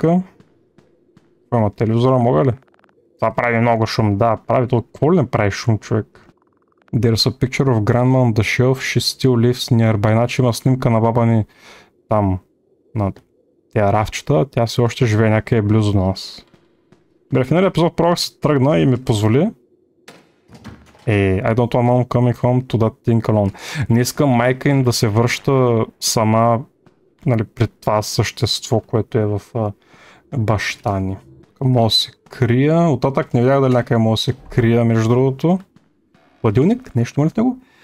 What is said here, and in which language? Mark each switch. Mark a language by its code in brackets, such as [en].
[bg] Това има телевизора, мога ли? Това прави много шум, да, прави толкова ли не прави шум, човек? [en] There's a picture of grandma on the shelf, she still lives nearby. [bg] Иначе има снимка на баба ни там, на тя рафчета, тя все още живее някъде близо до нас. Бе, финалия епизод пробах се тръгна и ми позволи. [en] I don't want mom coming home to that thing alone. [bg] Не искам майка им да се връща сама, нали, пред това същество, което е в баща ни. Мога се крия. Оттатък не видях дали някъде мога се крия, между другото. Хладилник? Нещо има ли в него?